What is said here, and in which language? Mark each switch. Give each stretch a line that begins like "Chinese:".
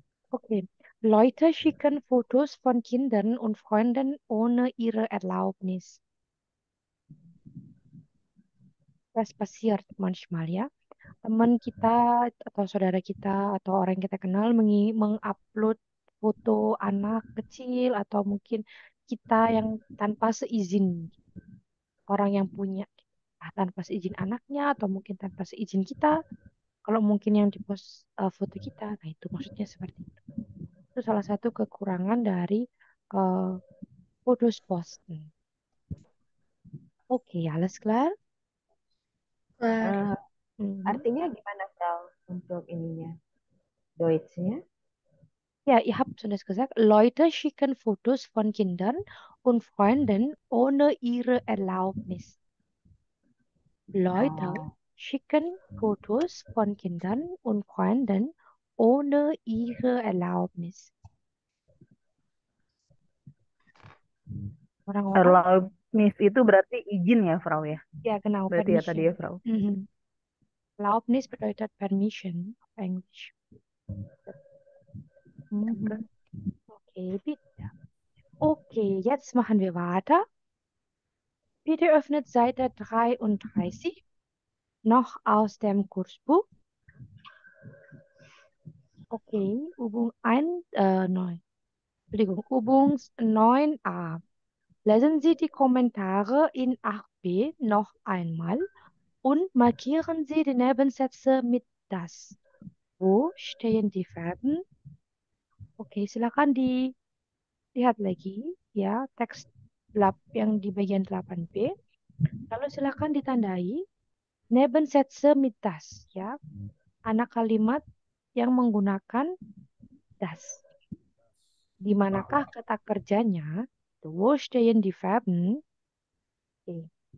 German: Okay. Leute schicken Fotos von Kindern und Freunden ohne ihre Erlaubnis. Das passiert manchmal, ya.
Indonesian: Teman kita atau saudara kita atau orang yang kita kenal mengupload foto anak kecil atau mungkin kita yang tanpa seizin orang yang punya, tanpa seizin anaknya atau mungkin tanpa seizin kita, kalau mungkin yang dipost foto kita, nah itu maksudnya seperti itu. Itu salah satu kekurangan dari foto posting.
German: Oke, alles klar?
Indonesian: Artinya gimana, Frau, untuk ininya, Deutsch-nya?
German: Ya, ich habe schon gesagt, Leute schicken Fotos von Kindern und Freunden ohne ihre Erlaubnis. Leute schicken Fotos von Kindern und Freunden ohne ihre Erlaubnis.
Indonesian: Orang-orang? Erlaubnis itu berarti izin ya, Frau, ya?
German: Ya, genau,
Indonesian: Berarti ya tadi
English: permission.
Indonesian: ya, Frau.
German: Erlaubnis bedeutet permission, Englisch. Okay, bitte. Okay, jetzt machen wir weiter. Bitte öffnet Seite 33 noch aus dem Kursbuch. Okay, Übung 1, 9. Entschuldigung, Übung 9a. Lesen Sie die Kommentare in 8b noch einmal und markieren Sie die Nebensätze mit das. Wo stehen die Verben?
Indonesian: Oke, silakan dilihat lagi ya teks lab yang di bagian 8B. Lalu silakan ditandai
German: Nebensätze mit das
Indonesian: ya. Anak kalimat yang menggunakan das. Di manakah kata kerjanya?
German: Wo stehen die Verben? Okay.